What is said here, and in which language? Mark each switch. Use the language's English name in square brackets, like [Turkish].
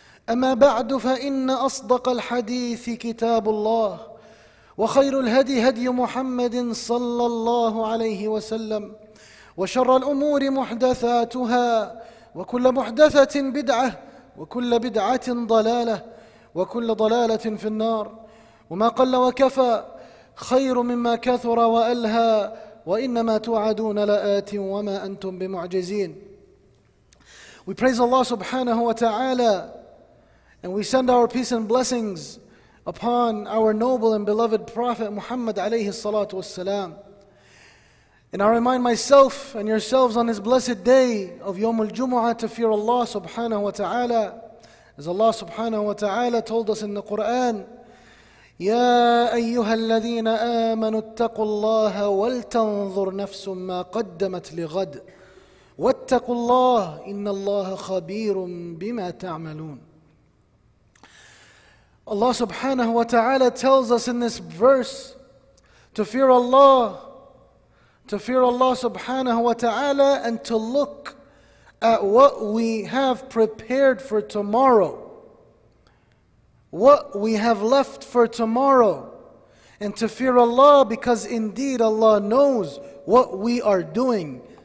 [Arabic] أما بعد فإن أصدق الحديث كتاب الله وخير الهدي هدي محمد صلى الله عليه وسلم وشر الأمور محدثاتها وكل محدثة بدعة وكل بدعة ضلالة وكل ضلالة في النار وما قل وكفى خير مما كثر وألهى وَإِنَّمَا تُوعَدُونَ لَآتٍ وَمَا أَنْتُمْ بِمُعْجِزِينَ [English] We praise Allah subhanahu wa ta'ala and we send our peace and blessings upon our noble and beloved Prophet Muhammad alayhi salatu wassalam. And I remind myself and yourselves on his blessed day of Yawm al-Jumu'ah to fear Allah subhanahu wa ta'ala as Allah subhanahu wa ta'ala told us in the Qur'an [Arabic] يا أيها الذين آمنوا اتقوا الله ولتنظر نفس ما قدمت لغد واتقوا الله إن الله خبير بما تعملون. [English] Allah subhanahu wa ta'ala tells us in this verse to fear Allah, to fear Allah subhanahu wa ta'ala, and to look at what we have prepared for tomorrow, what we have left for tomorrow, and to fear Allah, because indeed Allah knows what we are doing.